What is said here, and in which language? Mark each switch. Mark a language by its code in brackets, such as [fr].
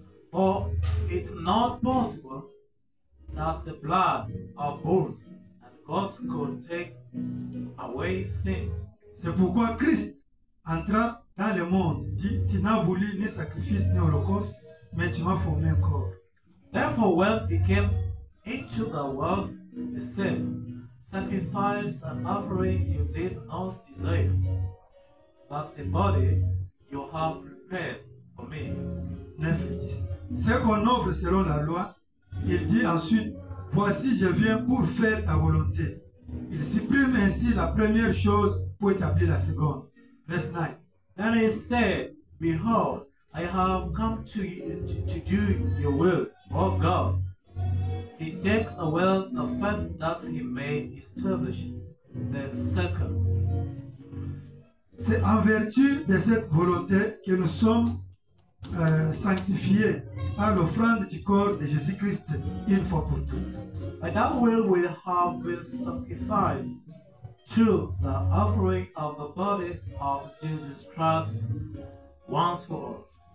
[en] For it's not possible that the blood of bulls and goats could take away sins. [fr] C'est pourquoi Christ entra dans le monde, dit, tu n'as voulu ni sacrifice ni holocauste, mais tu m'as formé un corps. [en] Therefore, when he came into the world, the same sacrifice and offering you did not desire, but the body you have prepared for me. [fr] 9 et 10. Ce qu'on offre selon la loi, il dit ensuite, voici je viens pour faire ta volonté. Il supprime ainsi la première chose pour établir la seconde. [en] Verse 9. Then he said, behold, I have come to do your will, O God. He takes away the first that he may establish, the second. [fr] C'est en vertu de cette volonté que nous sommes sanctifiés par l'offrande du corps de Jésus-Christ une fois pour toutes. [en] By that will we have been sanctified through the offering of the body of Jesus Christ once for all.